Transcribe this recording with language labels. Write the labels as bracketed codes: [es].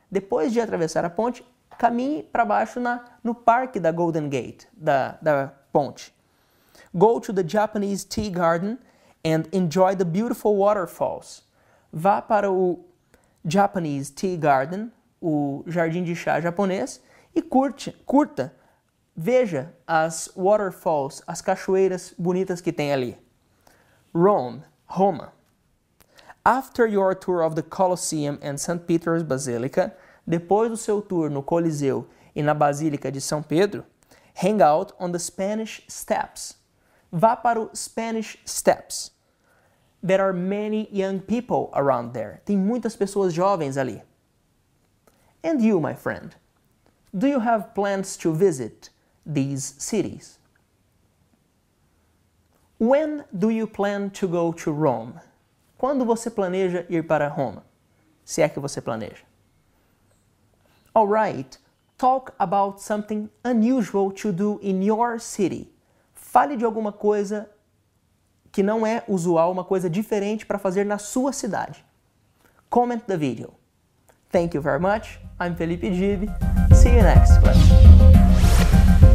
[pt] Depois de atravessar a ponte, caminhe para baixo no parque da Golden Gate, da ponte. [en] Go to the Japanese Tea Garden and enjoy the beautiful waterfalls. [pt] Vá para o Japanese Tea Garden, o jardim de chá japonês, e curta, veja as waterfalls, as cachoeiras bonitas que tem ali. [en] Rome, Roma. After your tour of the Colosseum and St. [pt] Peter's Basilica, depois do seu tour no Coliseu e na Basílica de São Pedro, [en] hang out on the Spanish Steps. [pt] Vá para o Spanish Steps. [en] There are many young people around there. [pt] Tem muitas pessoas jovens ali. [en] And you, my friend. Do you have plans to visit these cities? When do you plan to go to Rome? [pt] Quando você planeja ir para Roma? Se é que você planeja. [en] All right, talk about something unusual to do in your city. [pt] Fale de alguma coisa que não é usual, uma coisa diferente para fazer na sua cidade. [en] Comment the video. Thank you very much. I'm Felipe Gibe. See you next class.